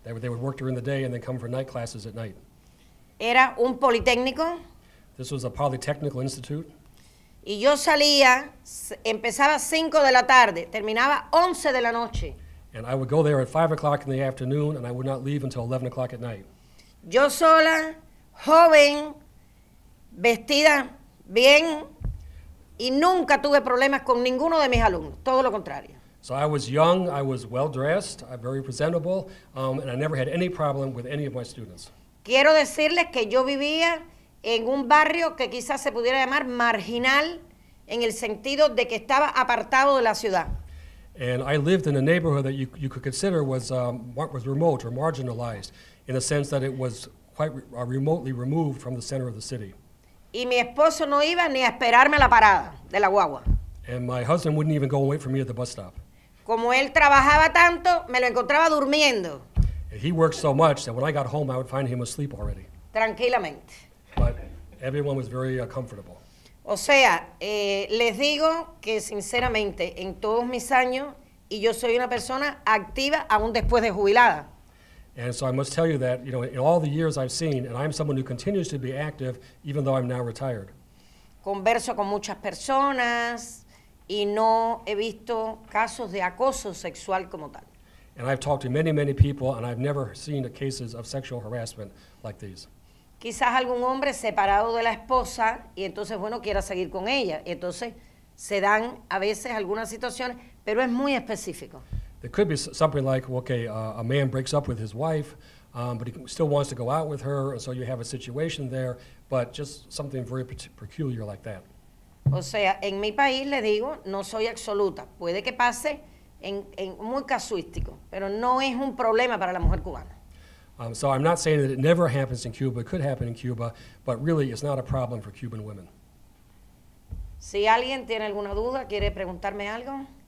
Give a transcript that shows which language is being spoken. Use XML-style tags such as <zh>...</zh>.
<en>They would work during the day and then come for night classes at night.</en> <es>Era un politécnico.</es> <en>This was a polytechnical institute.</en> <es>Y yo salía, empezaba 5 de la tarde, terminaba 11 de la noche.</es> <en>And I would go there at 5 o'clock in the afternoon, and I would not leave until 11 o'clock at night.</en> <es>Yo sola, joven, vestida bien, y nunca tuve problemas con ninguno de mis alumnos, todo lo contrario.</es> <en>So I was young, I was well-dressed, very presentable, and I never had any problem with any of my students.</en> <es>Quiero decirles que yo vivía en un barrio que quizás se pudiera llamar marginal, en el sentido de que estaba apartado de la ciudad.</es> <en>And I lived in a neighborhood that you could consider was remote or marginalized, in the sense that it was quite remotely removed from the center of the city.</en> <es>Y mi esposo no iba ni a esperarme a la parada de la guagua.</es> <en>And my husband wouldn't even go and wait for me at the bus stop.</en> <es>Como él trabajaba tanto, me lo encontraba durmiendo.</es> <en>And he worked so much that when I got home, I would find him asleep already.</en> <es>Tranquilamente.</es> <en>But everyone was very comfortable.</en> <es>O sea, les digo que sinceramente, en todos mis años, y yo soy una persona activa aún después de jubilada.</es> <en>And so I must tell you that, you know, in all the years I've seen, and I'm someone who continues to be active, even though I'm now retired.</en> <es>Converso con muchas personas, y no he visto casos de acoso sexual como tal.</es> <en>And I've talked to many, many people, and I've never seen cases of sexual harassment like these.</en> <es>Quizás algún hombre separado de la esposa, y entonces, bueno, quiera seguir con ella. Entonces, se dan a veces algunas situaciones, pero es muy específico.</es> <en>There could be something like, okay, a man breaks up with his wife, but he still wants to go out with her, and so you have a situation there, but just something very peculiar like that.</en> <es>O sea, en mi país, le digo, no soy absoluta. Puede que pase en muy casuístico, pero no es un problema para la mujer cubana.</es> <en>So I'm not saying that it never happens in Cuba. It could happen in Cuba, but really it's not a problem for Cuban women.</en> <es>Si alguien tiene alguna duda, quiere preguntarme algo.</es>